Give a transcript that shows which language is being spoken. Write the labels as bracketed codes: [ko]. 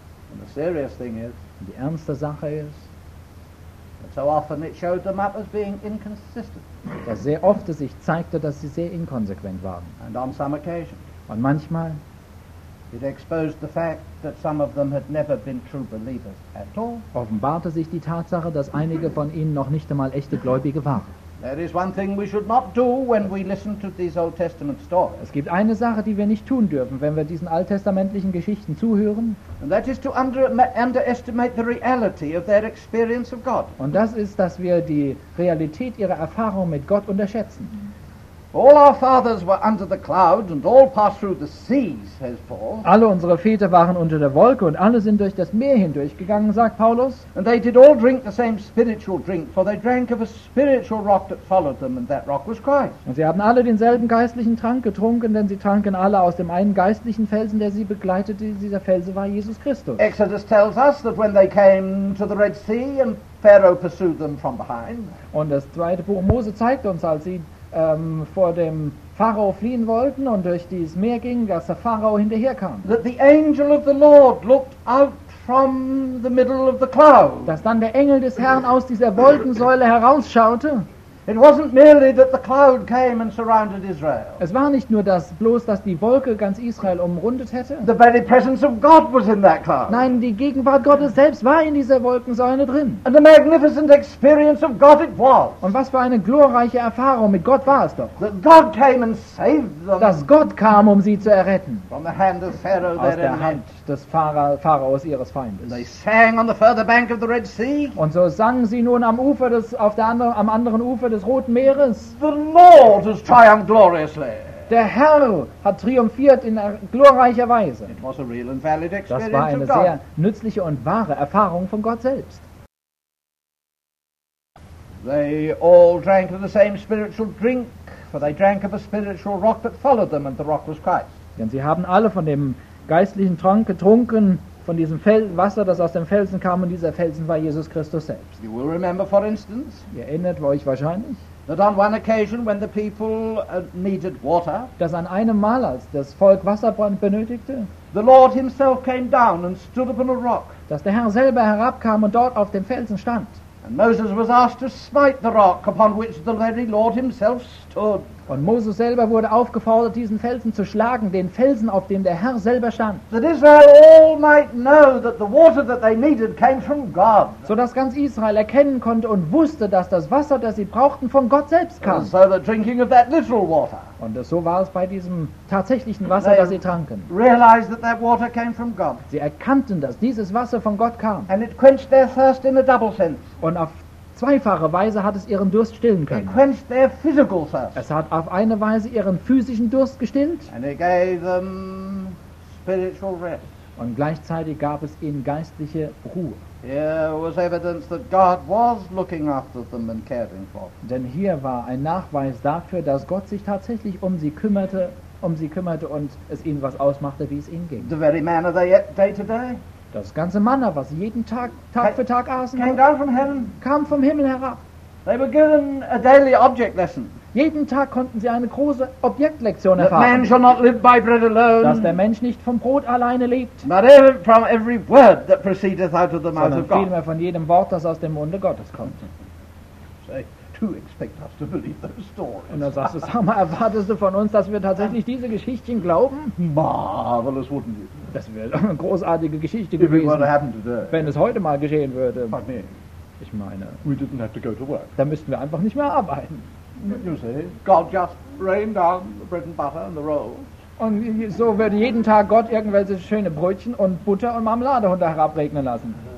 [en] And the serious thing is, [de] und die ernste Sache ist, [en] that so often it showed them up as being inconsistent. [de] Dass sehr oft es sich zeigte, dass sie sehr inkonsequent waren. [en] And on some occasion, [de] und manchmal [en] it exposed the fact that some of them had never been true believers at all. [de] Offenbarte sich die Tatsache, dass einige von ihnen noch nicht einmal echte Gläubige waren. [en] There is one thing we should not do when we listen to these Old Testament stories. [de] Es gibt eine Sache, die wir nicht tun dürfen, wenn wir diesen alttestamentlichen Geschichten zuhören. [en] And that is to underestimate the reality of their experience of God. [de] Und das ist, dass wir die Realität ihrer Erfahrung mit Gott unterschätzen. [en] All our fathers were under the cloud and all passed through the sea, says Paul. [de] Alle unsere Väter waren unter der Wolke und alle sind durch das Meer hindurchgegangen, sagt Paulus. [en] And they did all drink the same spiritual drink, for they drank of a spiritual rock that followed them, and that rock was Christ. [de] Und sie haben alle denselben geistlichen Trank getrunken, denn sie tranken alle aus dem einen geistlichen Felsen, der sie begleitete. Dieser Felsen war Jesus Christus. [en] Exodus tells us that when they came to the Red Sea and Pharaoh pursued them from behind. [de] Und das zweite Buch Mose zeigt uns, als sie vor dem Pharao fliehen wollten und durch dieses Meer gingen, dass der Pharao hinterher kam. [en] That the angel of the Lord looked out from the middle of the cloud. [de] Dass dann der Engel des Herrn aus dieser Wolkensäule herausschaute. [en] It wasn't merely that the cloud came and surrounded Israel. [de] Es war nicht nur das bloß, dass die Wolke ganz Israel umrundet hätte. [en] The very presence of God was in that cloud. [de] Nein, die Gegenwart Gottes selbst war in dieser Wolkensäule drin. [en] And the magnificent experience of God it was. [de] Und was für eine glorreiche Erfahrung mit Gott war es doch. [en] That God came and saved them. [de] Dass Gott kam, um sie zu erretten. [en] From the hand of Pharaoh, [de] aus der Hand des Pharaos ihres Feindes. [en] They sang on the further bank of the Red Sea. [de] Und so sangen sie nun am Ufer des am anderen Ufer des Roten Meeres. [en] The Lord has triumphed gloriously. [de] Der Herr hat triumphiert in glorreicher Weise. [en] It was a real and valid experience. [de] Das war eine sehr nützliche und wahre Erfahrung von Gott selbst. [en] They all drank of the same spiritual drink, for they drank of a spiritual rock that followed them, and the rock was Christ. [de] Denn sie haben alle von dem geistlichen Trank getrunken, von diesem Wasser, das aus dem Felsen kam, und dieser Felsen war Jesus Christus selbst. [en] You will remember, for instance, [de] ihr erinnert euch wahrscheinlich, [en] that on one occasion when the people needed water, [de] dass an einem Mal, als das Volk Wasser benötigte, [en] the Lord himself came down and stood upon a rock, [de] dass der Herr selber herabkam und dort auf dem Felsen stand. [en] And Moses was asked to smite the rock upon which the very Lord himself stood. [de] Und Moses selber wurde aufgefordert, diesen Felsen zu schlagen, den Felsen, auf dem der Herr selber stand. [en] That Israel all might know that the water that they needed came from God. [de] So dass ganz Israel erkennen konnte und wusste, dass das Wasser, das sie brauchten, von Gott selbst kam. [en] So the drinking of that literal water. [de] Und so war es bei diesem tatsächlichen Wasser, das sie tranken. [en] Realized that that water came from God. [de] Sie erkannten, dass dieses Wasser von Gott kam. [en] And it quenched their thirst in a double sense. [de] Und auf zweifache Weise hat es ihren Durst stillen können. Es hat auf eine Weise ihren physischen Durst gestillt. [en] And it gave them spiritual rest. [de] Und gleichzeitig gab es ihnen geistliche Ruhe. Denn hier war ein Nachweis dafür, dass Gott sich tatsächlich um sie kümmerte und es ihnen was ausmachte, wie es ihnen ging. [en] The very man of the day to day. [de] Das ganze Manna, was sie jeden Tag für Tag aßen, kam vom Himmel herab. [en] They were given a daily object lesson. [de] Jeden Tag konnten sie eine große Objektlektion erfahren. [en] That man shall not live by bread alone, [de] dass der Mensch nicht vom Brot alleine lebt, [en] from every word that proceedeth out of the mouth of God. [de] Sondern vielmehr von jedem Wort, das aus dem Munde Gottes kommt. [en] To expect us to believe those stories. [de] Und dann sagst du, sag mal, erwartest du von uns, dass wir tatsächlich diese Geschichtchen glauben? [en] Marvelous, wouldn't it? [de] Das wäre eine großartige Geschichte gewesen, wenn es heute mal geschehen würde. Ich meine, [en] we didn't have to go to work. [de] Dann müssten wir einfach nicht mehr arbeiten. [en] You see, God just rained down the bread and butter and the rolls. [de] Und so würde jeden Tag Gott irgendwelche schöne Brötchen und Butter und Marmelade runter herabregnen lassen.